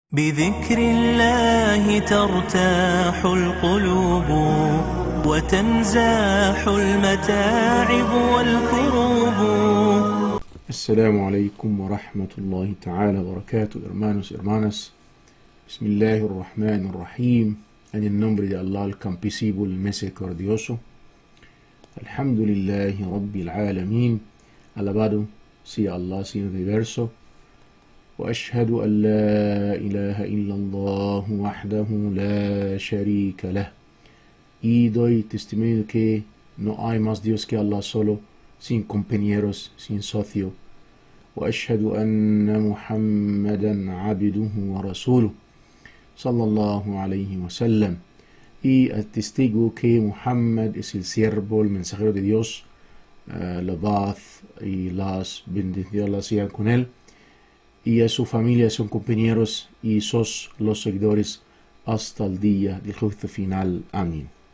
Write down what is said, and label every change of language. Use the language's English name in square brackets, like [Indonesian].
[Arabic] بذكر الله ترتاح القلوب وتنزاح المتاعب والكروب. السلام عليكم ورحمة الله تعالى وبركاته. [Spanish] إرمانوس إرمانس. [Arabic] بسم الله الرحمن الرحيم. [Spanish] En el nombre de Allah, el compasivo, el misericordioso. [Arabic] Alhamdulillahi Rabbil Alameen. [Spanish] Alabado sea Allah sin reverso. [Arabic] واشهد ان لا اله الا الله وحده لا شريك له. [Spanish] Y doy testimonio que no hay más Dios que Allah solo, sin compañeros, sin socio. [Arabic] واشهد ان محمدا عبده ورسوله صلى الله عليه وسلم. [Spanish] Y atestiguo que Muhammad es el siervo, el mensajero de Dios, la paz y las bendiciones de Allah sean con él y a su familia, son compañeros y sos los seguidores hasta el día del juicio final. Amén.